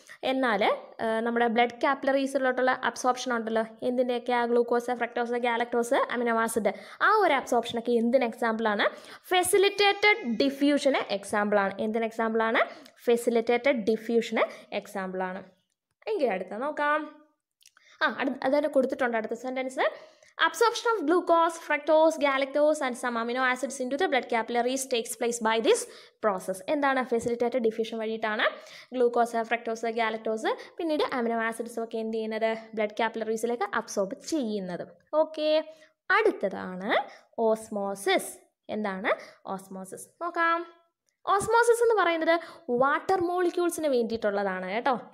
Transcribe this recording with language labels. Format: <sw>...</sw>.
<ml>എന്നാൽ നമ്മുടെ blood കാപ്പിലറീസിലോട്ടുള്ള absorption ഉണ്ടല്ലോ, എന്തിൻ്റെയൊക്കെ, ആ glucose fructose galactose amino acid, ആ ഒരു അബ്സോർപ്ഷനൊക്കെ എന്തിന് എക്സാമ്പിളാണ്, ഫെസിലിറ്റേറ്റഡ് ഡിഫ്യൂഷന് എക്സാമ്പിളാണ്. എന്തിന് എക്സാമ്പിളാണ്, ഫെസിലിറ്റേറ്റഡ് ഡിഫ്യൂഷന് എക്സാമ്പിളാണ്. എങ്കിൽ അടുത്ത നോക്കാം. ആ അടുത്ത് അതുതന്നെ കൊടുത്തിട്ടുണ്ട് അടുത്ത sentence.</ml> <en>Absorption of glucose, fructose, galactose and some amino acids into the blood capillaries takes place by this process.</en> <ml>എന്താണ് facilitated diffusion വഴിയിട്ടാണ് glucose fructose galactose പിന്നീട് അമിനോ ആസിഡ്സ് ഒക്കെ എന്ത് ചെയ്യുന്നത് ബ്ലഡ് കാപ്പിലറീസിലേക്ക് അബ്സോർബ് ചെയ്യുന്നത്. ഓക്കെ, അടുത്തതാണ് ഓസ്മോസിസ്. എന്താണ് ഓസ്മോസിസ് നോക്കാം. Osmosis എന്ന് പറയുന്നത് വാട്ടർ മോളിക്യൂൾസിന് വേണ്ടിയിട്ടുള്ളതാണ് കേട്ടോ.</ml>